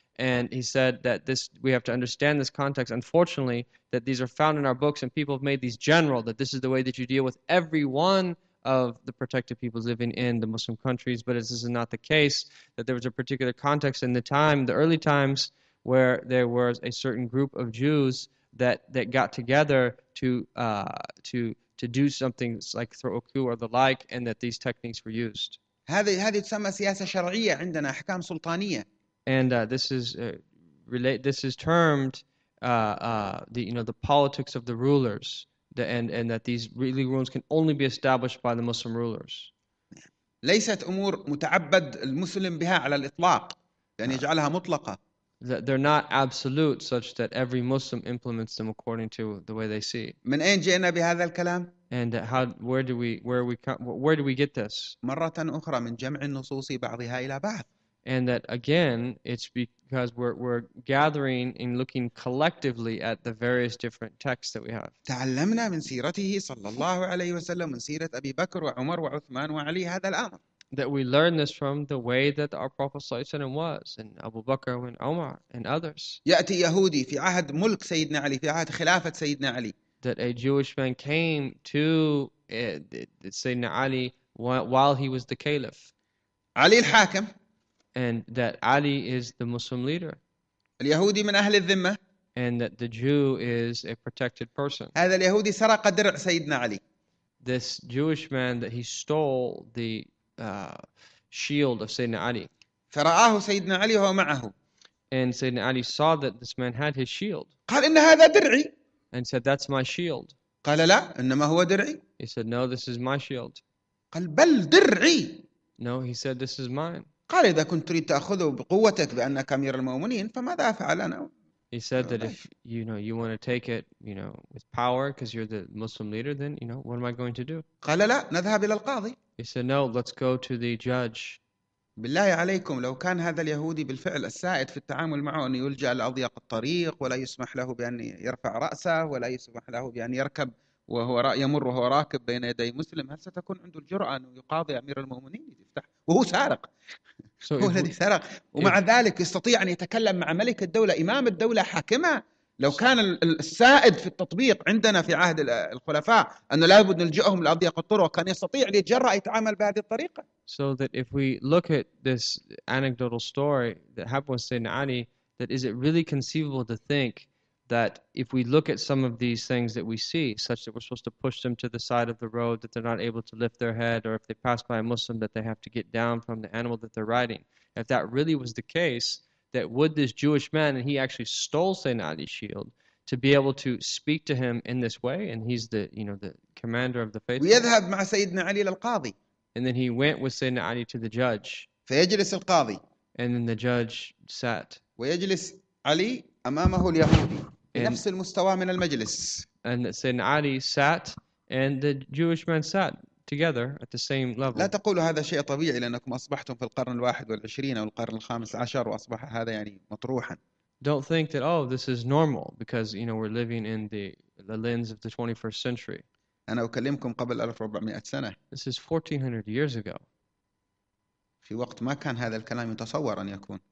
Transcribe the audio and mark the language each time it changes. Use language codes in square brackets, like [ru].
[en] And he said that this, we have to understand this context, unfortunately, that these are found in our books and people have made these general, that this is the way that you deal with every one of the protected peoples living in the Muslim countries. But this is not the case, that there was a particular context in the time, the early times, where there was a certain group of Jews that got together to do something like throw a coup or the like, and that these techniques were used. [ar] هذه تسمى سياسة شرعية عندنا, أحكام سلطانية. [en] And this is termed the politics of the rulers, and that these really rules can only be established by the Muslim rulers. [ar] ليست أمور متعبد المسلم بها على الإطلاق, يعني يجعلها مطلقة. [en] That they're not absolute, such that every Muslim implements them according to the way they see. [ar] من أين جئنا بهذا الكلام؟ [en] And where do we get this? [ar] مرة أخرى من جمع النصوص بعضها إلى بعض. [en] And that again, it's because we're gathering and looking collectively at the various different texts that we have. [ar] تعلمنا من سيرته صلى الله عليه وسلم, من سيرة أبي بكر وعمر وعثمان وعلي هذا الأمر. [en] That we learn this from the way that our Prophet [ar] صلى الله عليه وسلم [en] was, and Abu Bakr and Umar and others. [ar] يأتي يهودي في عهد ملك سيدنا علي, في عهد خلافة سيدنا علي. [en] That a Jewish man came to Sayyidina Ali while he was the caliph. [ar] علي الحاكم. [en] And that Ali is the Muslim leader. [ar] اليهودي من أهل الذمة. [en] And that the Jew is a protected person. [ar] هذا اليهودي سرق درع سيدنا علي. [en] This Jewish man, that he stole the shield of Sayyidina Ali. [ar] فرآه سيدنا علي وهو معه. [en] And Sayyidina Ali saw that this man had his shield. [ar] قال إن هذا درعي. [en] And said, that's my shield. [ar] قال لا, إنما هو درعي. [en] He said, no, this is my shield. [ar] قال بل درعي. [en] No, he said, this is mine. [ar] قال إذا كنت تريد تأخذه بقوتك بأنك أمير المؤمنين فماذا أفعل أنا؟ [en] He said that if you know you want to take it, you know, with power because you're the Muslim leader, then you know what am I going to do? [ar] قال لا, نذهب إلى القاضي. [en] He said no, let's go to the judge. [ar] بالله عليكم لو كان هذا اليهودي بالفعل السائد في التعامل معه أن يلجأ لأضيق الطريق ولا يسمح له بأن يرفع رأسه ولا يسمح له بأن يركب وهو يمر وهو راكب بين يدي مسلم, هل ستكون عنده الجرأة أن يقاضي أمير المؤمنين يفتح وهو سارق؟ [en] So [ar] هو الذي سرق ومع ذلك يستطيع أن يتكلم مع ملك الدولة, إمام الدولة, حاكمة. لو كان السائد في التطبيق عندنا في عهد الخلفاء أنه لابد نلجئهم لأضيق الطرق, كان يستطيع يتجرأ يتعامل بهذه الطريقة. [en] So that if we look at this anecdotal story that happened with Sayyidina Ali, that is it really conceivable to think that if we look at some of these things that we see, such that we're supposed to push them to the side of the road, that they're not able to lift their head, or if they pass by a Muslim, that they have to get down from the animal that they're riding. If that really was the case, that would this Jewish man, and he actually stole Sayyidina Ali's shield, to be able to speak to him in this way, and he's the, you know, the commander of the faithful. [ar] ويذهب مع سيدنا علي للقاضي. [en] And then he went with Sayyidina Ali to the judge. [ar] فيجلس القاضي. [en] And then the judge sat. [ar] ويجلس علي أمامه اليهودي. نفس المستوى من المجلس. [en] And Sayyidina Ali sat, and the Jewish man sat together at the same level. [ar] لا تقولوا هذا شيء طبيعي لأنكم أصبحتم في القرن الواحد والعشرين أو القرن الخامس عشر وأصبح هذا يعني مطروحا. [en] Don't think that oh this is normal because you know we're living in the lens of the 21st century. [ar] أنا أكلمكم قبل 1400 سنة. [en] This is 1400 years ago. [ar] في وقت ما كان هذا الكلام يتصور أن يكون.